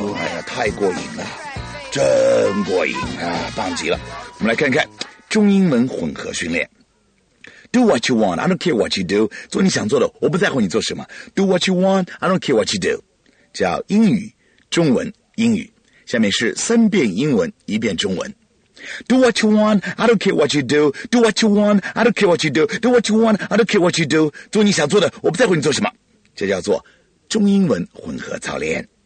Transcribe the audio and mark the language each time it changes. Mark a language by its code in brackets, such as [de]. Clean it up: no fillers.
[zh] 哎呀，太过瘾了，真过瘾啊，棒极了。我们来看看中英文混合训练。 [en] Do what you want. I don't care what you do. [zh] 做你想做的，我不在乎你做什么。 [en] Do what you want. I don't care what you do. [zh] 叫英语。中文英语，下面是三遍英文，一遍中文。 [en] Do what you want, I don't care what you do. Do what you want, I don't care what you do. Do what you want, I don't care what you do. [zh] 做你想做的，我不在乎你做什么。这叫做中英文混合操练。